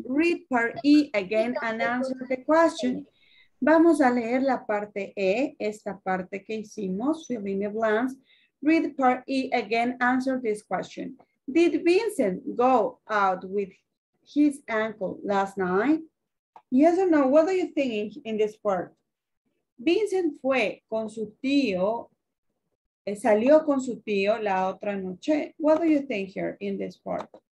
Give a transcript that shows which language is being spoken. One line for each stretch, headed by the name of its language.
English: Read part E again and answer the question.
Spanish: Vamos a leer la parte E, esta parte que hicimos,
English: fill in the blanks. Read part E again, answer this question. Did Vincent go out with his uncle last night? Yes or no? What do you think in this part?
Spanish: Vincent fue con su tío, salió con su tío la otra noche.
English: What do you think here in this part?